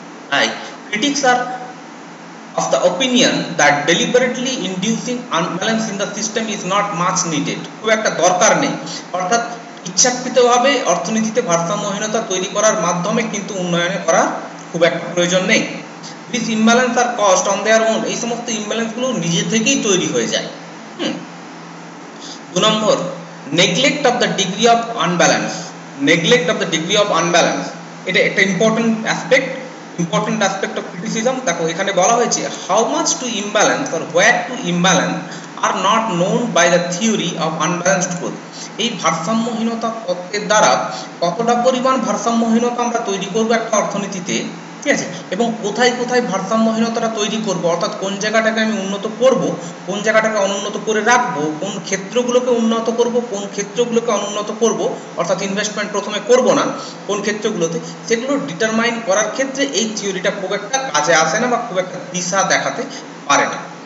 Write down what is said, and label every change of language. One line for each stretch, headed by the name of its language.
English: তাই critics are of the opinion that deliberately inducing unbalance in the system is not much needed,
Bangla: খুব একটা দরকার নেই। অর্থাৎ ইচ্ছাকৃতভাবে অর্থনীতিতে ভারসাম্যহীনতা তৈরি করার মাধ্যমে কিন্তু উন্নয়নে করা খুব একটা প্রয়োজন নেই।
English: this imbalance are cost on their own,
Bangla: এই সমস্ত ইম্বালেন্সগুলো নিজে থেকেই তৈরি হয়ে যায়। দু নম্বর,
English: neglect of the degree of unbalance. Neglect of the degree of unbalance. It is an important aspect of criticism. How much to imbalance or where to imbalance are not known by the theory of unbalanced growth.
Bangla: এই ভারসাম্যহীনতা তত্ত্বের দ্বারা কতটা পরিমাণ ভারসাম্যহীনতা আমরা তৈরি করব একটা অর্থনীতিতে, ঠিক আছে, এবং কোথায় কোথায় ভারসাম্যহীনতাটা তৈরি করব, অর্থাৎ কোন জায়গাটাকে আমি উন্নত করব, কোন জায়গাটাকে অনুন্নত করে রাখব, কোন ক্ষেত্রগুলোকে উন্নত করব, কোন ক্ষেত্রগুলোকে অনুন্নত করব, অর্থাৎ ইনভেস্টমেন্ট প্রথমে করব না কোন ক্ষেত্রগুলোতে, সেগুলো ডিটারমাইন করার ক্ষেত্রে এই থিওরিটা খুব একটা কাজে আসে না বা খুব একটা দিশা দেখাতে পারে না।